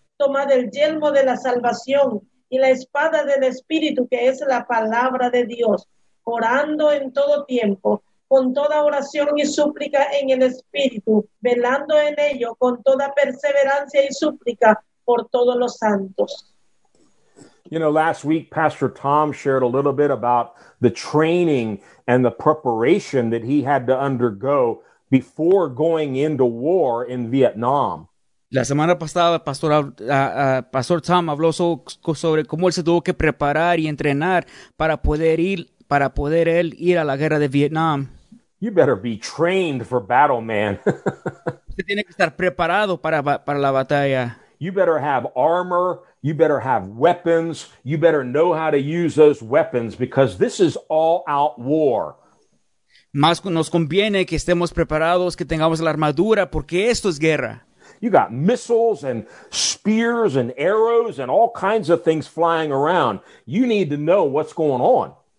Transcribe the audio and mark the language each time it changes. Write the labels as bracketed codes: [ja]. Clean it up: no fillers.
[es] Tomad el yelmo de la salvación y la espada del Espíritu, que es la palabra de Dios, orando en todo tiempo, con toda oración y súplica en el Espíritu, velando en ello con toda perseverancia y súplica por todos los santos. [en] You know, last week, Pastor Tom shared a little bit about the training and the preparation that he had to undergo before going into war in Vietnam. [es] La semana pasada, Pastor Tom habló sobre cómo él se tuvo que preparar y entrenar para poder ir a la guerra de Vietnam. [en] You better be trained for battle, man. [es] Usted tiene que estar preparado para la batalla. [en] You better have armor. You better have weapons. You better know how to use those weapons, because this is all out war. [es] Más nos conviene que estemos preparados, que tengamos la armadura, porque esto es guerra. [en] You got missiles and spears and arrows and all kinds of things flying around. You need to know what's going on.